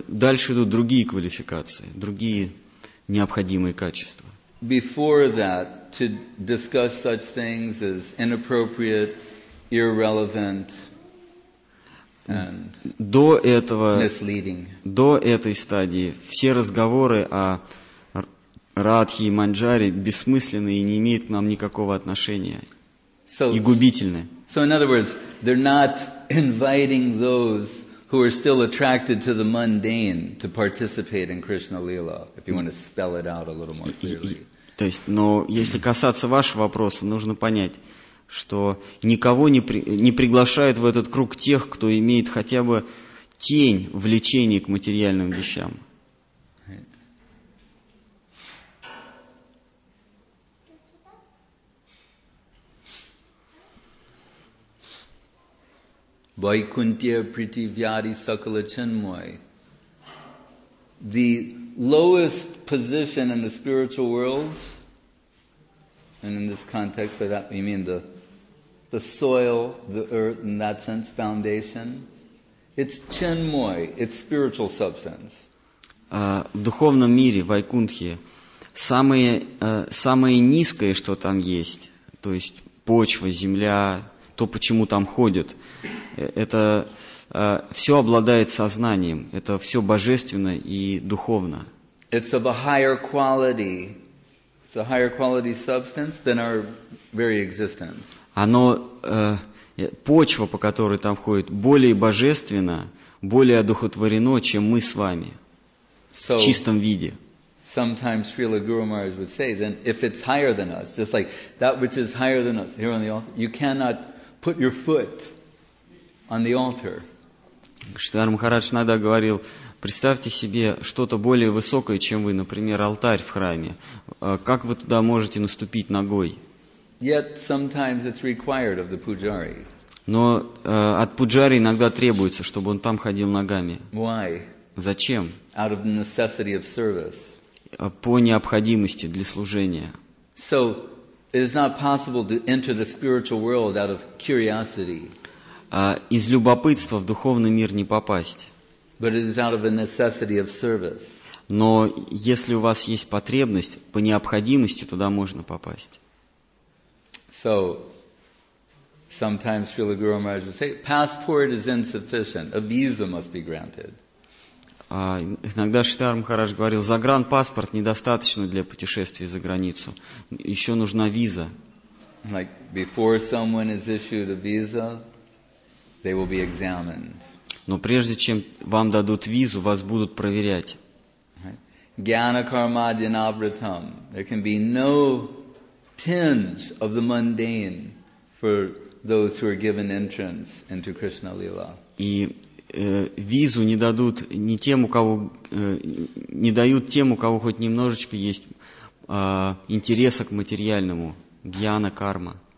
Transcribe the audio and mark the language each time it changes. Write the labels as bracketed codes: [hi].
[ru] Дальше идут другие квалификации, другие необходимые качества. [en] Before that, to discuss such things as inappropriate, irrelevant, and misleading. [ru] До этой стадии все разговоры о Радхе и Манджаре бессмысленны и не имеют к нам никакого отношения и губительны. [en] So in other words, they're not inviting those who are still attracted to the mundane to participate in Krishna Lila, if you want to spell it out a little more clearly. [ru] То есть, но если касаться вашего вопроса, нужно понять, что никого не приглашают в этот круг тех, кто имеет хотя бы тень влечения к материальным вещам. [sa] Vaikunthya prithivyari sakala chinmoy. [en] The lowest position in the spiritual world, and in this context, by that we mean the soil, the earth, in that sense, foundation. It's chinmoy, it's spiritual substance. [ru] В духовном мире, в Вайкунтхе, самое низкое, что там есть, то есть почва, земля, то, почему там ходят, это все обладает сознанием, это все божественно и духовно. [en] It's of a higher quality. It's a higher quality substance than our very existence. [ru] Оно почва, по которой там ходит, более божественна, более одухотворено, чем мы с вами в чистом виде. [en] Sometimes Srila Guru Maharaj would say, then if it's higher than us, just like that which is higher than us here on the altar, you cannot put your foot on the altar. [ru] Шридхар Махарадж иногда говорил: представьте себе что-то более высокое, чем вы, например, алтарь в храме. Как вы туда можете наступить ногой? [en] Yet sometimes it's required of the pujari. [ru] Но от пуджари иногда требуется, чтобы он там ходил ногами. [en] Why? [ru] Зачем? [en] Out of the necessity of service. [ru] По необходимости для служения. [en] So it is not possible to enter the spiritual world out of curiosity. [ru] Из любопытства в духовный мир не попасть. [en] But it is out of a necessity of service. [ru] Но если у вас есть потребность, по необходимости туда можно попасть. [en] So, sometimes Srila Guru Maharaj would say, passport is insufficient, a visa must be granted. [ru] Иногда Шридхар Махарадж говорил, загранпаспорт недостаточно для путешествия за границу, еще нужна виза. [en] Like, before someone is issued a visa, they will be examined. [ru] Но прежде чем вам дадут визу, вас будут проверять. [sa] Gyana karma dinavritam. [en] There can be no tinge of the mundane for those who are given entrance into Krishna Lila. [ru] И визу не дадут ни тем, у кого не дают тем, у кого хоть немножечко есть интереса к материальному. Гьяна карма.